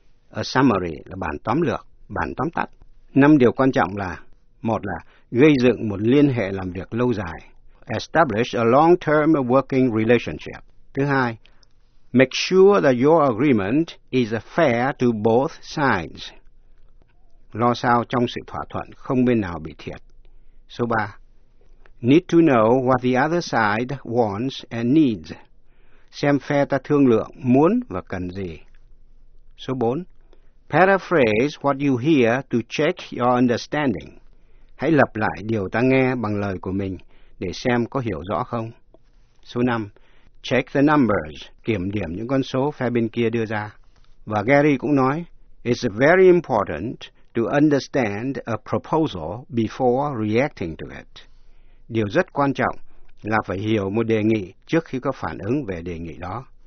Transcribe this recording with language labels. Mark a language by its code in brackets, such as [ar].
[vi] A summary là bản tóm lược, bản tóm tắt. Năm điều quan trọng là: một là gây dựng một liên hệ làm việc lâu dài. [en] Establish a long-term working relationship. [vi] Thứ hai, [en] make sure that your agreement is fair to both sides. [vi] Lo sao trong sự thỏa thuận không bên nào bị thiệt. Số 3. [en] Need to know what the other side wants and needs. [vi] Xem phe ta thương lượng muốn và cần gì. Số 4. [en] Paraphrase what you hear to check your understanding. [vi] Hãy lặp lại điều ta nghe bằng lời của mình để xem có hiểu rõ không. Số 5. [en] Check the numbers. [vi] Kiểm điểm những con số phe bên kia đưa ra. Và Gary cũng nói, [en] it's very important to understand a proposal before reacting to it. [vi] Điều rất quan trọng là phải hiểu một đề nghị trước khi có phản ứng về đề nghị đó.